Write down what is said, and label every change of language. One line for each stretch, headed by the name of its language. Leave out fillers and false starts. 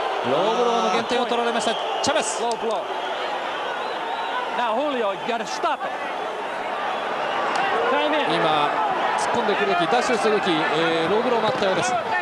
Japanese: ローブローの減点を取られました、チャベス。
English: ローブロー、 Now Julio, you gotta stop it. Time in.
Japanese: 今突っ込んでくる時、ダッシュする時、ローブロー待ったようです。